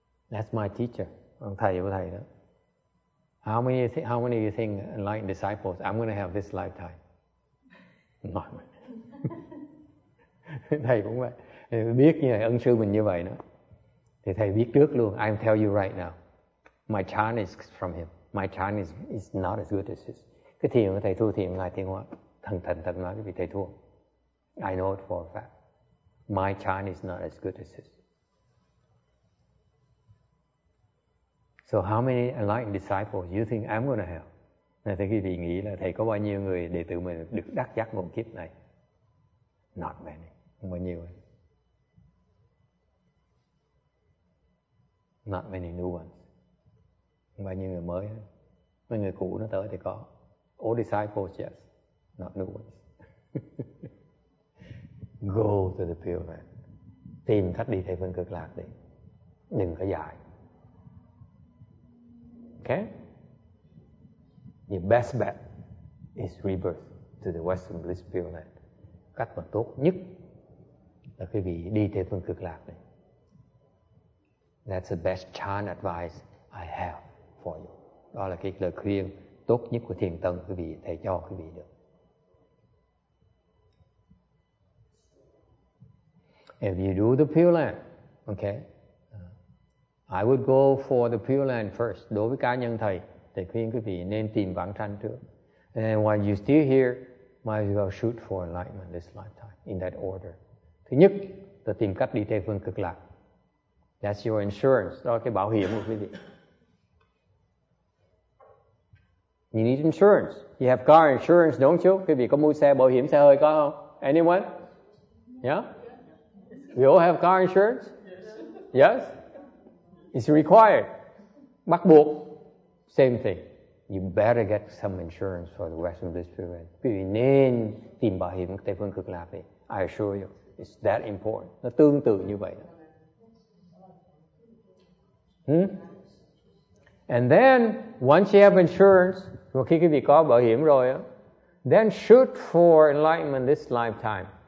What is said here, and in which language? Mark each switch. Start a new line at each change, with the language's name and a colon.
English: That's my teacher.
Vietnamese: Ông thầy của thầy đó.
English: How many of you think enlightened disciples I'm going to have this lifetime? Not many.
Vietnamese: Thầy cũng vậy. Biết như vậy, ân sư mình như vậy đó. Thì thầy biết trước luôn.
English: I'll tell you right now. My Chinese is from him. My Chinese is not as good as his.
Vietnamese: Cái thiền của thầy thua thiền ngài tiếng Hoa. Thần nói vì thầy thua.
English: I know it for a fact. My Chinese is not as good as his. So how many enlightened disciples you think I'm going to have?
Vietnamese: Nên thầy vì nghĩ là thầy có bao nhiêu người đệ tử mình được đắc giác ngộ kiếp này?
English: Not many.
Vietnamese: Không bao nhiêu.
English: Not many new ones.
Vietnamese: Không bao nhiêu người mới. Mấy người cũ nó tới thì có.
English: Old disciples, yes. Not new ones. Go to the pure land.
Vietnamese: Tìm cách đi thầy phân cực lạc đi. Đừng có dài.
English: Okay? Your best bet is rebirth to the Western Bliss Pure Land.
Vietnamese: Cách mà tốt nhất là quý vị đi Tây Phương Cực Lạc này.
English: That's the best chant advice I have for you.
Vietnamese: Đó là cái lời khuyên tốt nhất của Thiền Tân quý vị, thầy cho quý vị được.
English: If you do the Pure Land, okay? I would go for the Pure Land first.
Vietnamese: Đối với cá nhân thầy, thầy khuyên quý vị nên tìm vãng sanh trước.
English: And while you're still here, might as well shoot for enlightenment this lifetime, in that order.
Vietnamese: Thứ nhất, là tìm cách đi Tây Phương Cực Lạc.
English: That's your insurance.
Vietnamese: Đó là cái bảo hiểm của quý vị.
English: You need insurance. You have car insurance, don't you?
Vietnamese: Quý vị có mua xe bảo hiểm xe hơi có không?
English: Anyone? Yeah? We all have car insurance? Yes? It's required.
Vietnamese: Bắt buộc.
English: Same thing. You better get some insurance for the Western Bliss Pure Land.
Vietnamese: Quý vị nên tìm bảo hiểm Tây Phương Cực Lạc đi.
English: I assure you, it's that important.
Vietnamese: Nó tương tự như vậy.
English: And then, once you have insurance,
Vietnamese: khi quý vị có bảo hiểm rồi,
English: then shoot for enlightenment this lifetime.